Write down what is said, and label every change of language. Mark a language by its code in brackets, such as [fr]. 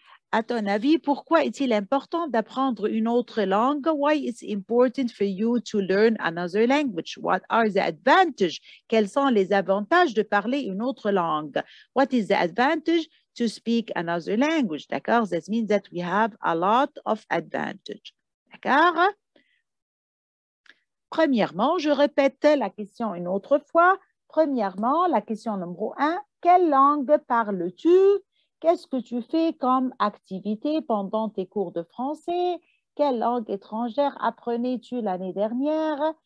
[fr] À ton avis, pourquoi est-il important d'apprendre une autre langue? [en] Why is it important for you to learn another language? What are the advantages? [fr] Quels sont les avantages de parler une autre langue? [en] What is the advantage to speak another language? [fr] D'accord? [en] That means that we have a lot of advantage. [fr] D'accord? Premièrement, je répète la question une autre fois. Premièrement, la question numéro 1, quelle langue parles-tu? Qu'est-ce que tu fais comme activité pendant tes cours de français? Quelle langue étrangère apprenais-tu l'année dernière?